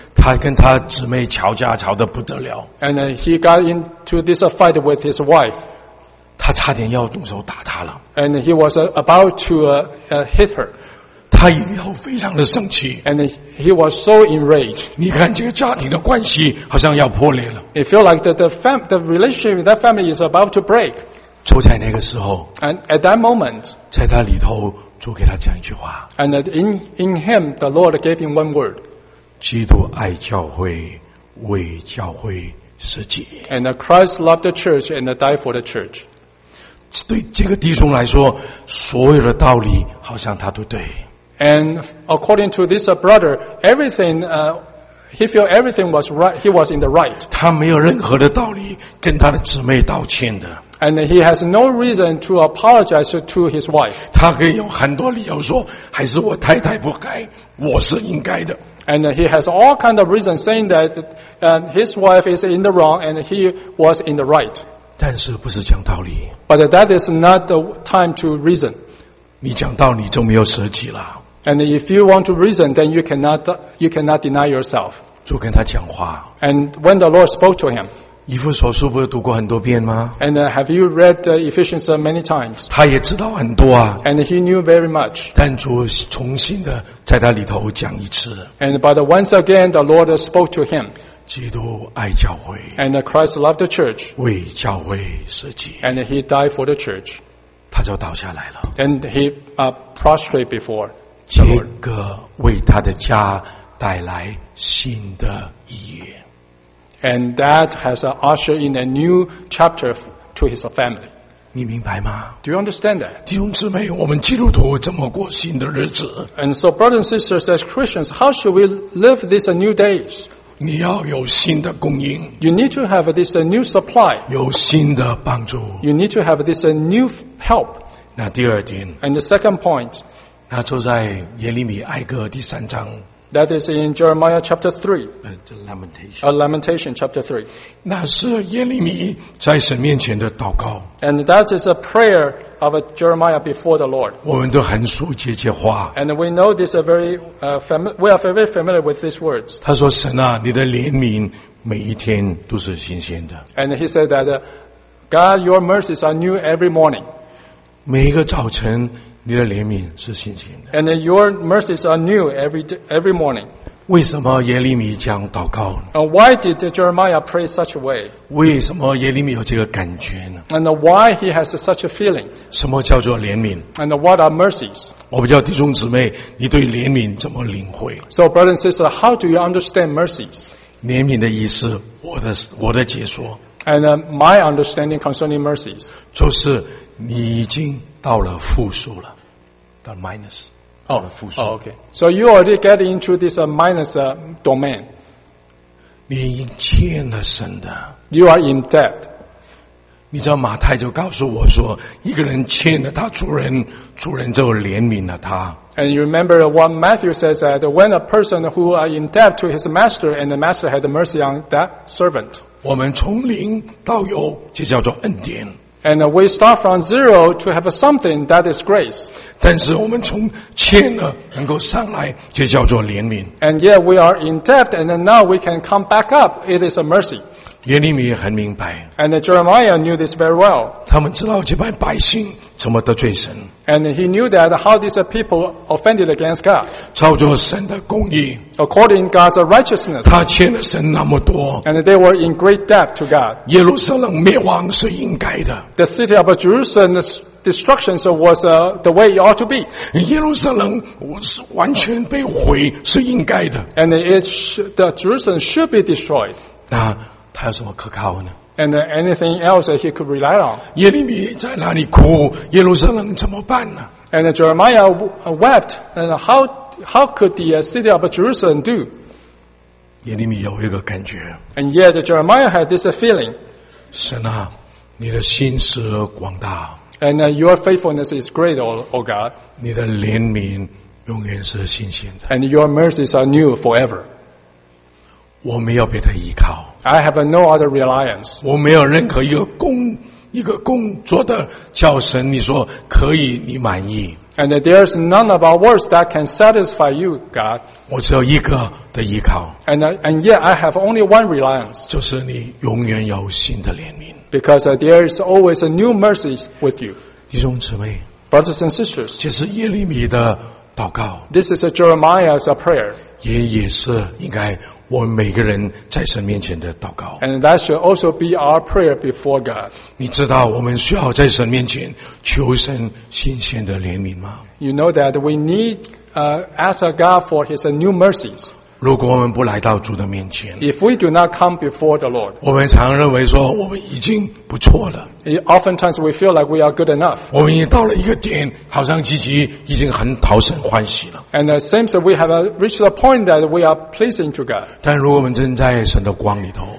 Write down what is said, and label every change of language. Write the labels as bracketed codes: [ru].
[zh] 他跟他姊妹吵架吵得不得了。 [en] And he got into this fight with his wife. [zh] 他差点要动手打他了。 [en] And he was about to hit her. [zh] 他以后非常的生气。 [en] And he was so enraged. [zh] 你看这个家庭的关系好像要破裂了。 [en] It felt like the relationship with that family is about to break. [zh] 就在那个时候。 [en] And at that moment, [zh] 在他里头主给他讲一句话。 [en] And in him, the Lord gave him one word. [zh] 基督爱教会，为教会舍己。 [en] And Christ loved the church and died for the church. [zh] 对这个弟兄来说，所有的道理好像他都对。 [en] And according to this brother, everything, he felt everything was right, he was in the right. [zh] 他没有任何的道理跟他的姊妹道歉的。 [en] And he has no reason to apologize to his wife. [zh] 他可以有很多理由说，还是我太太不该，我是应该的。 [en] And he has all kind of reasons saying that his wife is in the wrong and he was in the right. [zh] 但是不是讲道理。 [en] But that is not the time to reason. [zh] 你讲道理就没有舍己了。 [en] And if you want to reason, then you cannot deny yourself. [zh] 就跟他讲话。 [en] And when the Lord spoke to him, [zh] 以弗所书不是读过很多遍吗 [en] ？And have you read Ephesians many times？ [zh] 他也知道很多啊。 [en] And he knew very much。 [zh] 但主重新的在他里头讲一次。 [en] And but once again, the Lord spoke to him。 [zh] 基督爱教会。 [en] And Christ loved the church。 [zh] 为教会舍己。 [en] And he died for the church。 [zh] 他就倒下来了。 [en] And he prostrate before。 [zh] 这个为他的家带来新的一页。 [en] And that has ushered in a new chapter to his family. [zh] 你明白吗？ [en] Do you understand that? [zh] 弟兄姊妹，我们基督徒怎么过新的日子？ [en] And so brothers and sisters, as Christians, how should we live these new days? [zh] 你要有新的供应。 [en] You need to have this new supply. [zh] 有新的帮助。 [en] You need to have this new help. [zh] 那第二点。 [en] And the second point. [zh] 那就在耶利米哀歌第三章。 [en] That is in Jeremiah chapter 3. Lamentation chapter [zh] 3. 那是耶利米在神面前的祷告。 [en] And that is a prayer of a Jeremiah before the Lord. [zh] 我们都很熟悉这话。 [en] And we know this a very, we are very familiar with these words. [zh] 他说神啊，你的怜悯每一天都是新鲜的。 [en] And he said that, God, your mercies are new every morning. [zh] 每一个早晨你的怜悯是新鲜的。 [en] And your mercies are new every morning. [zh] 为什么耶利米这样祷告呢？ [en] And why did Jeremiah pray such a way? [zh] 为什么耶利米有这个感觉呢？ [en] And why he has such a feeling? [zh] 什么叫做怜悯？ [en] And what are mercies? [zh] 我不知道弟兄姊妹，你对怜悯怎么领会？ [en] So brothers and sisters, how do you understand mercies? [zh] 怜悯的意思，我的解说。 [en] And my understanding concerning mercies. [zh] 就是你已经到了负数了。 [en] Minus, okay. So you already get into this minus domain. [zh] 你已经欠了神的。 [en] You are in debt. [zh] 你知道马太就告诉我说，一个人欠了他主人，主人就怜悯了他。 [en] And you remember what Matthew says that when a person who are in debt to his master, and the master had mercy on that servant. [zh] 我们从零到有，这叫做恩典。 [en] And we start from zero to have something that is grace. [zh] 但是我们从欠了能够上来，就叫做怜悯。 [en] And yet we are in debt, and now we can come back up. It is a mercy. [zh] 耶利米很明白。 [en] And Jeremiah knew this very well. [zh] 他们知道这帮百姓怎么得罪神。 [en] And he knew that how these people offended against God. [zh] 照着神的公义。 [en] According to God's righteousness. [zh] 他欠了神那么多。 [en] And they were in great debt to God. [zh] 耶路撒冷灭亡是应该的。 [en] The city of Jerusalem's destruction was the way it ought to be. [zh] 耶路撒冷完全被毁是应该的。 [en] And the Jerusalem should be destroyed. [zh] 那他有什么可靠呢？ [en] And anything else that he could rely on. [zh] 耶利米在那里哭，耶路撒冷怎么办呢？ [en] And Jeremiah wept. And how could the city of Jerusalem do? [zh] 耶利米有一个感觉。 [en] And yet Jeremiah had this feeling. [zh] 神啊，你的心思广大。 [en] And your faithfulness is great, O God. [zh] 你的怜悯永远是新鲜的。 [en] And your mercies are new forever. [zh] 我没有别的依靠。 [en] I have no other reliance. [zh] 我没有任何一个工作的叫神你说可以你满意。 [en] And there is none of our works that can satisfy you, God. [zh] 我只有一个的依靠。 [en] And yet I have only one reliance. [zh] 就是你永远有新的怜悯。 [en] Because there is always a new mercy with you. [zh] 弟兄姊妹。 [en] Brothers and sisters. [zh] 这是耶利米的祷告。 [en] This is Jeremiah's prayer. [zh] 也是应该我们每个人在神面前的祷告。 [en] And that should also be our prayer before God. [zh] 你知道我们需要在神面前求神新鲜的怜悯吗？ [en] You know that we need ask God for His new mercies. [zh] 如果我们不来到主的面前， [en] If we do not come before the Lord, [zh] 我们常认为说我们已经不错了。 [en] Oftentimes we feel like we are good enough. [zh] 我们已经到了一个点，好像自己已经很讨神欢喜了。 [en] And it seems that we have reached a point that we are pleasing to God. [zh] 但如果我们正在神的光里头，